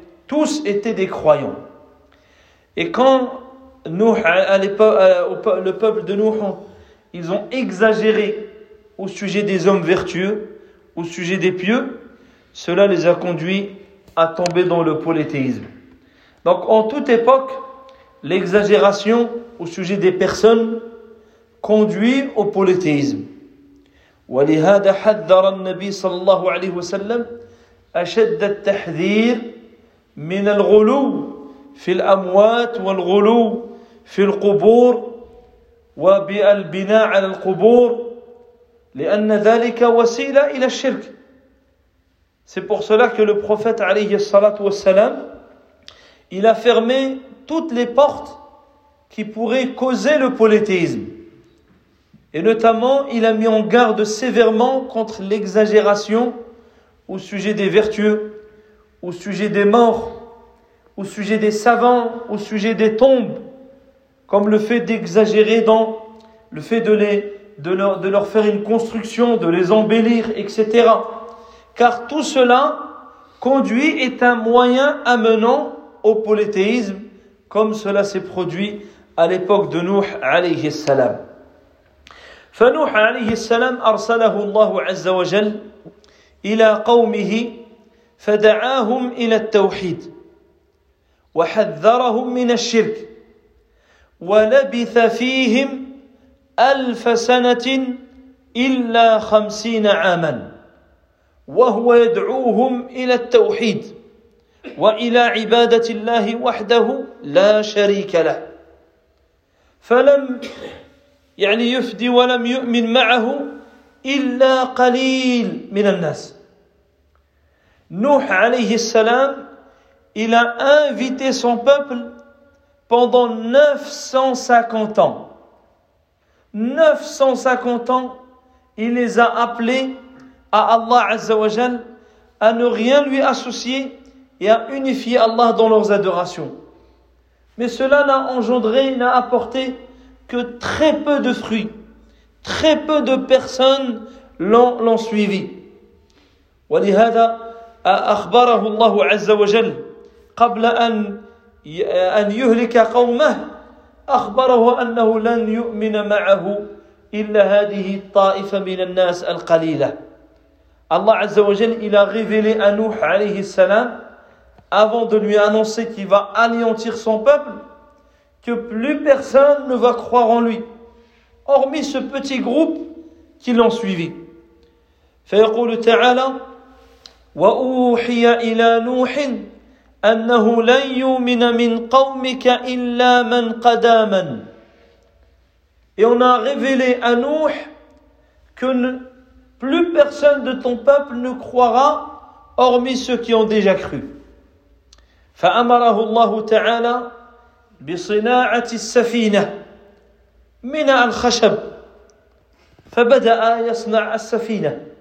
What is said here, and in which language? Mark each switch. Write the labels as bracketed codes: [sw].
[fr] Tous étaient des croyants. Et quand Nuh, le peuple de Nuh, ils ont exagéré au sujet des hommes vertueux, au sujet des pieux, cela les a conduits à tomber dans le polythéisme. Donc en toute époque, l'exagération au sujet des personnes conduit au polythéisme. [ar] ولهذا حذر النبي صلى الله عليه وسلم اشد التحذير من الغلو في الاموات والغلو في القبور وبالبناء على القبور لان ذلك وسيله الى الشرك. [fr] C'est pour cela que le prophète [ar] عليه الصلاه والسلام [fr] il a fermé toutes les portes qui pourraient causer le polythéisme. Et notamment, il a mis en garde sévèrement contre l'exagération au sujet des vertueux, au sujet des morts, au sujet des savants, au sujet des tombes, comme le fait d'exagérer dans le fait de leur faire une construction, de les embellir, etc. Car tout cela conduit est un moyen amenant au polythéisme, comme cela s'est produit à l'époque de Nuh alayhi salam. [ar] فنوح عليه السلام أرسله الله عز وجل إلى قومه فدعاهم إلى التوحيد وحذرهم من الشرك ولبث فيهم 1000 سنة إلا 50 عاما وهو يدعوهم إلى التوحيد وإلى عبادة الله وحده لا شريك له فلم يعني يفدي ولم يؤمن معه إلا قليل من الناس. نوح عليه السلام [fr] il a invité son peuple pendant 950 ans. 950 ans, il les a appelés à Allah Azza wa Jal à ne rien lui associer et à unifier Allah dans leurs adorations. Mais cela n'a engendré, n'a apporté que très peu de fruits, très peu de personnes l'ont suivi. [ar] ولهذا أخبره الله عز وجل قبل أن يهلك قومه أخبره أنه لن يؤمن معه إلا هذه الطائفة من الناس القليلة. الله عز وجل [fr] il a révélé à Nuh [ar] عليه السلام [fr] avant de lui annoncer qu'il va anéantir son peuple que plus personne ne va croire en lui, hormis ce petit groupe qui l'ont suivi. [ar] فَيَقُولُ تَعَالَى وَأُوحِيَ إِلَى نُوحٍ أَنَّهُ لَنْ يُؤْمِنَ مِنْ قَوْمِكَ إِلَّا مَنْ قَدَامًا. [fr] Et on a révélé à Nuh que plus personne de ton peuple ne croira, hormis ceux qui ont déjà cru. [ar] فَأَمَرَهُ اللَّهُ تَعَالَى بصناعة السفينة من الخشب فبدأ يصنع السفينة.